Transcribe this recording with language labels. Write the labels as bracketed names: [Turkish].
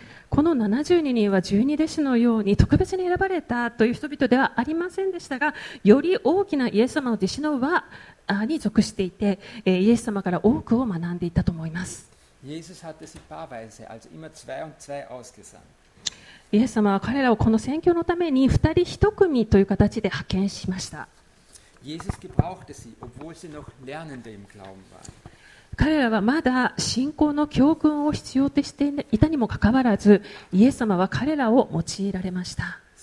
[Japanese] この72人は12弟子のように特別に選ばれたという人々ではありませんでしたが、より大きなイエス様の弟子の輪に属していて、イエス様から多くを学んでいたと思います。イエス様は一般的に、つまり2と2を選んで、イエス様は彼らをこの宣教のために二人一組という形で派遣しました。 [German] Jesus gebrauchte sie, obwohl sie noch lernende im Glauben waren. [Japanese] 彼らはまだ信仰の教訓を必要としていたにもかかわらず、イエス様は彼らを用いられました。